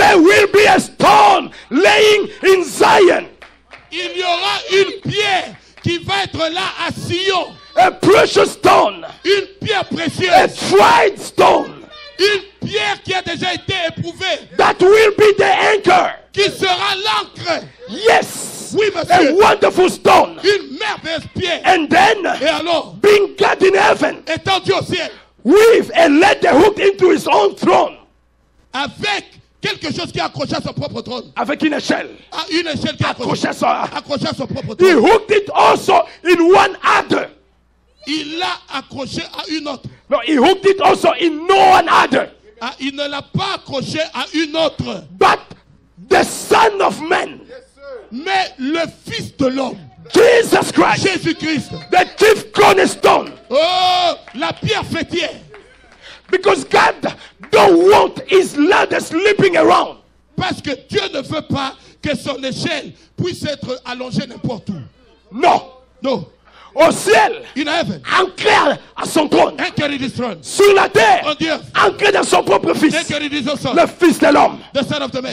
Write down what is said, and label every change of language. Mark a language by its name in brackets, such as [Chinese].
[English] there will be a stone laying in Zion. [French] Il y aura une pierre qui va être là à Sion. [English] A precious stone. [French] Une pierre précieuse. [English] A tried stone. [French] Une pierre qui a déjà été éprouvée. [English] That will be the anchor. [French] Qui sera l'ancre. [English] Yes. [French] Oui, monsieur. [English] A wonderful stone. [French] Une merveilleuse pierre. [English] And then, [French] et alors, [English] being God in heaven. [French] Étendu au ciel. [English] Weave and let the hook into his own throne. [French] Avec quelque chose qui accroche à son propre trône. Avec une échelle. Une échelle qui accroche à son propre trône. [English] He hooked it also in one other. [French] Il l'a accroché à une autre. [English] No, he hooked it also in no one other. [French] Il ne l'a pas accroché à une autre. [English] But the Son of Man. Yes, sir. [French] Mais le Fils de l'homme. [English] Jesus Christ. [French] Jésus Christ. [English] The chief cornerstone. [French] Oh, la pierre fêtière. [English] Because God don't want his ladder slipping around. [French] Parce que Dieu ne veut pas que son échelle puisse être allongée n'importe où. Non. Non. Au ciel. [English] In heaven. [French] Ancré à son trône. [English] Anchored in his throne. [French] Sur la terre. [English] On Dieu. [French] Ancré dans son propre fils. [English] Anchored in his own son. [French] Le fils de l'homme. [English] The son of the man.